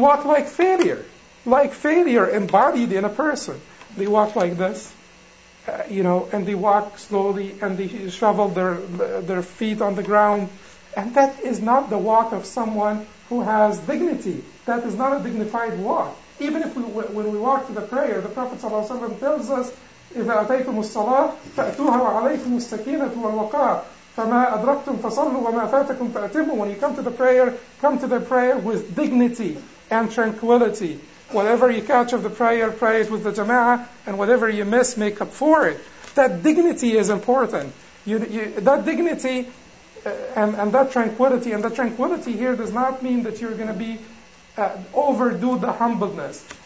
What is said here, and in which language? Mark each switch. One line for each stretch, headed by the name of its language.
English: They walk like failure embodied in a person. They walk like this. And they walk slowly and they shovel their feet on the ground. And that is not the walk of someone who has dignity. That is not a dignified walk. Even if when we walk to the prayer, the Prophet ﷺ tells us,
Arabic: إِذَا أَتَيْتُمُ الصَّلَاةَ فَأْتُوهَا وَعَلَيْكُمُ السَّكِينَةُ وَالْوَقَارُ فَمَا أَدْرَكْتُمْ فَصَلُّوا وَمَا فَاتَكُمْ فَأْتِمُوا.
English: When you come to the prayer, come to the prayer with dignity and tranquility. Whatever you catch of the prayer, pray it with the jama'ah, and whatever you miss, make up for it. That dignity is important. That dignity and that tranquility, and the tranquility here does not mean that you're going to be overdo the humbleness.